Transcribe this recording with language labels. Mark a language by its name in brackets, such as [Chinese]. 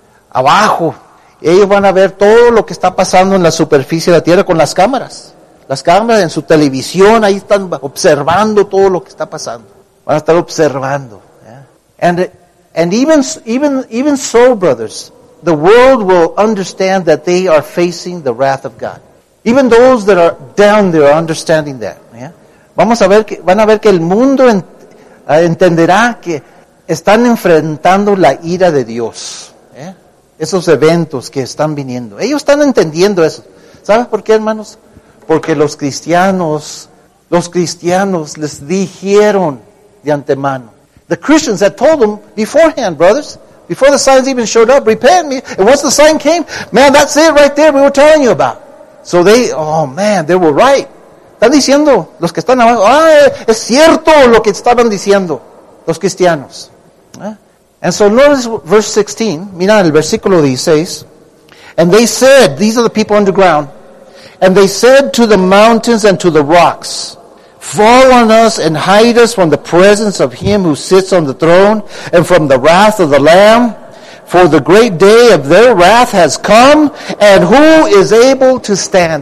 [Spanish] Abajo, ellos van a ver todo lo que está pasando en la superficie de la tierra con las cámaras. Las cámaras en su televisión, ahí están observando todo lo que está pasando. Van a estar observando. Yeah. [English] And even so, brothers, the world will understand that they are facing the wrath of God. Even those that are down there are understanding that. Yeah. [Spanish] Van a ver que el mundo entenderá que están enfrentando la ira de Dios. Yeah. Esos eventos que están viniendo. Ellos están entendiendo eso. ¿Sabes por qué, hermanos? Porque los cristianos les dijeron de antemano. [English] The Christians had told them beforehand, brothers, before the signs even showed up, repent me. And once the sign came, man, that's it right there we were telling you about. So they, oh man, they were right. [Spanish] Están diciendo, los que están abajo, es cierto lo que estaban diciendo los cristianos. [English] And so notice verse 16, mira el versículo 16. And they said, these are the people underground, and they said to the mountains and to the rocks, fall on us and hide us from the presence of him who sits on the throne and from the wrath of the Lamb. For the great day of their wrath has come, and who is able to stand?